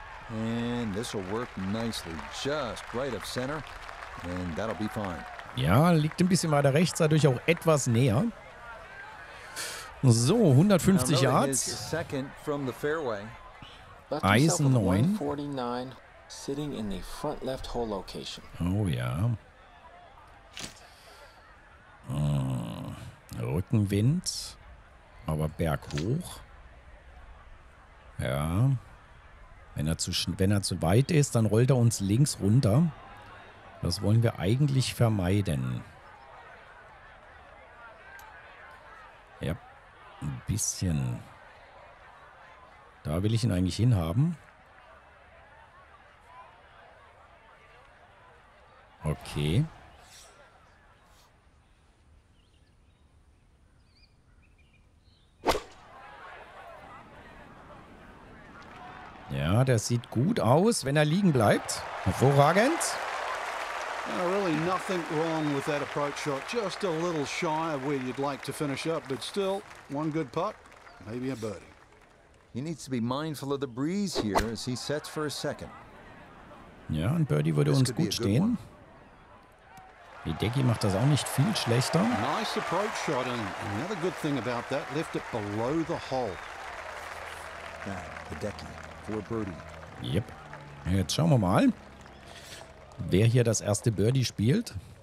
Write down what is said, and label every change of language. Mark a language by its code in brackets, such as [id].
[en] And this will work nicely, just right of center, and that'll be fine. [de] Ja, liegt ein bisschen weiter rechts, dadurch auch etwas näher. So, 150 Yards. [en] Second from the fairway. [de] Eisen 9. [en] 149, sitting in the front left hole location. [de] Oh ja. Rückenwind, aber berghoch. Ja. Wenn er zu weit ist, dann rollt er uns links runter. Das wollen wir eigentlich vermeiden. Ja, ein bisschen. Da will ich ihn eigentlich hinhaben. Okay. Ja, der sieht gut aus, wenn er liegen bleibt. Hervorragend. [en] Really nothing wrong with that approach shot. Just a little shy of where you'd like to finish up, but still one good putt, maybe a birdie. He needs to be mindful of the breeze here as he sets for a second. [de] Ja, ein Birdie würde uns gut stehen. Hideki macht das auch nicht viel schlechter. [en] Nice approach shot, and another good thing about that, lift it below the hole. Now, Hideki. For birdie. Yep. [de] Jetzt schauen wir mal, wer hier das erste Birdie spielt.